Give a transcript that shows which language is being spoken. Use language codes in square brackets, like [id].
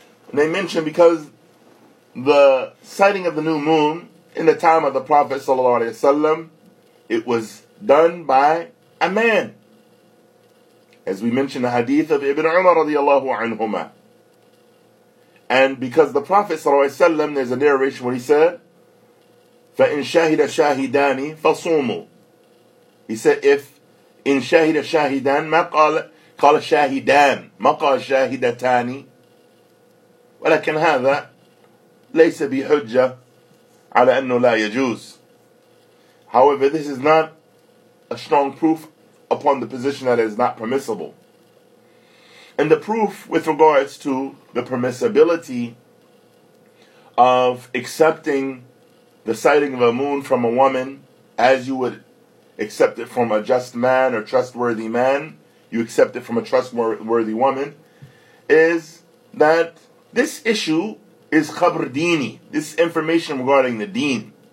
[en] And they mention because the sighting of the new moon in the time of the Prophet sallallahu alaihi wasallam, it was done by a man, as we mentioned the hadith of Ibn Umar radiallahu anhuma. And because the Prophet sallallahu alaihi wasallam, there's a narration where he said, [ar] فَإِنْ شَهِدَ شَاهِدَانِ فَصُومُوا. [en] He said, if [ar] إِنْ شَهِدَ شَاهِدَانِ مَا قَالَ شَاهِدَانِ مَا قَالَ شَاهِدَتَانِ وَلَكِنْ هَذَا لَيْسَ بِحُجَّةِ عَلَى أَنُّ لَا يَجُوزِ. [en] However, this is not a strong proof upon the position that it is not permissible. And the proof with regards to the permissibility of accepting the sighting of a moon from a woman, as you would accept it from a just man or trustworthy man, you accept it from a trustworthy woman, is that this issue is khabr dini, this information regarding the deen.